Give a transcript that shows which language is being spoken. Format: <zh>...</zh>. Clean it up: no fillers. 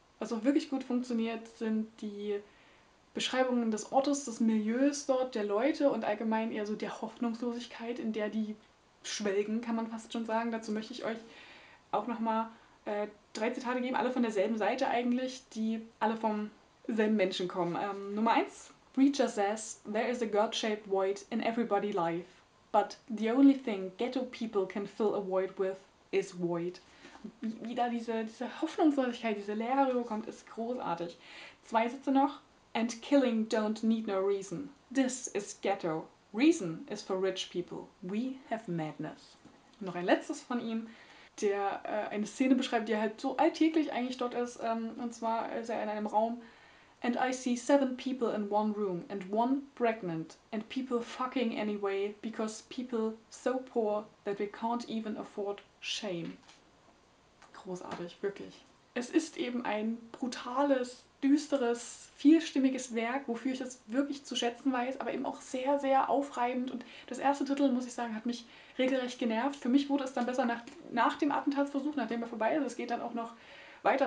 <de>Was auch wirklich gut funktioniert, sind die Beschreibungen des Ortes, des Milieus dort, der Leute und allgemein eher so der Hoffnungslosigkeit, in der die schwelgen, kann man fast schon sagen. Dazu möchte ich euch auch nochmal drei Zitate geben, alle von derselben Seite eigentlich, die alle vom selben Menschen kommen. Nummer 1.</de> <en>Reacher says, there is a God-shaped void in everybody life, but the only thing ghetto people can fill a void with is void.</en> <de>Wie da diese Hoffnungslosigkeit, diese Leere rüberkommt, ist großartig. Zwei Sätze noch.</de> <en>And killing don't need no reason. This is ghetto. Reason is for rich people. We have madness.</en> <de>Und noch ein letztes von ihm, der eine Szene beschreibt, die halt so alltäglich eigentlich dort ist. Und zwar ist er in einem Raum.</de> <en>And I see seven people in one room and one pregnant and people fucking anyway because people so poor that we can't even afford shame.</en> <de>Großartig, wirklich. Es ist eben ein brutales, düsteres, vielstimmiges Werk, wofür ich es wirklich zu schätzen weiß, aber eben auch sehr, sehr aufreibend. Und das erste Drittel, muss ich sagen, hat mich regelrecht genervt. Für mich wurde es dann besser nach dem Attentatsversuch, nachdem er vorbei ist. Es geht dann auch noch weiter.</de>